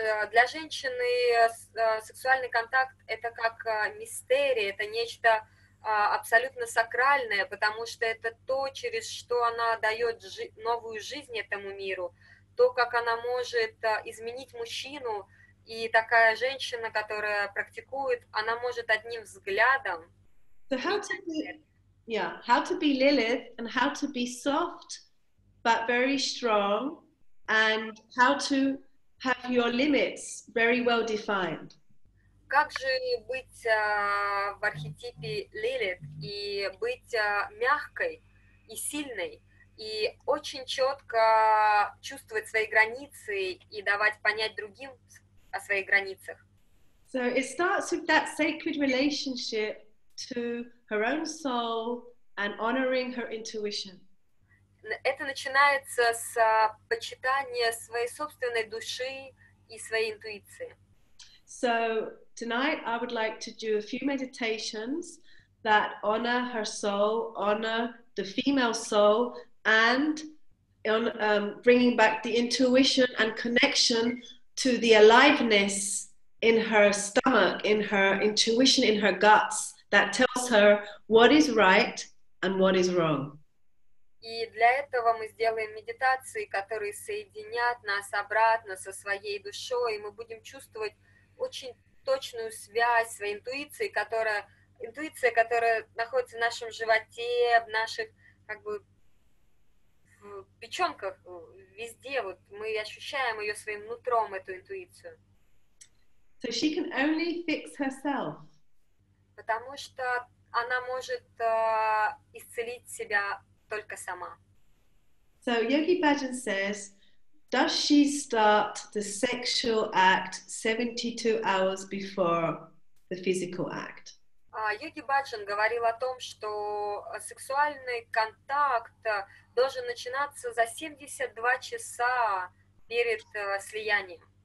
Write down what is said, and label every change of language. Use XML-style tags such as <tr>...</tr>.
<ru>Для женщины сексуальный контакт — это как мистерия, это нечто абсолютно сакральное, потому что это то, через что она дает новую жизнь этому миру, то, как она может изменить мужчину, и такая женщина, которая практикует, она может одним взглядом...</ru> <en>Yeah, how to be Lilith and how to be soft but very strong and how to have your limits very well defined.</en> <ru>Как же быть в архетипе Лилит и быть мягкой и сильной и очень четко чувствовать свои границы и давать понять другим о своих границах?</ru> <en>So it starts with that sacred relationship to her own soul and honoring her intuition.</en> <ru>Это начинается с почитания своей собственной души и своей интуиции.</ru> <en>So tonight I would like to do a few meditations that honor her soul, honor the female soul, and bringing back the intuition and connection to the aliveness in her stomach, in her intuition, in her guts, that tells her what is right and what is wrong.</en> <ru>И для этого мы сделаем медитации, которые соединят нас обратно со своей душой, и мы будем чувствовать очень точную связь своей интуицией, которая интуиция, которая находится в нашем животе, в наших как бы в печенках, везде вот мы ощущаем ее своим нутром, эту интуицию.</ru> <en>So she can only fix herself.</en> <ru>Потому что она может исцелить себя только сама.</ru> <en>So Yogi Bhajan says, does she start the sexual act 72 hours before the physical act?</en> <ru>Йоги Баджан говорил о том, что сексуальный контакт должен начинаться за 72 часа перед слиянием.</ru>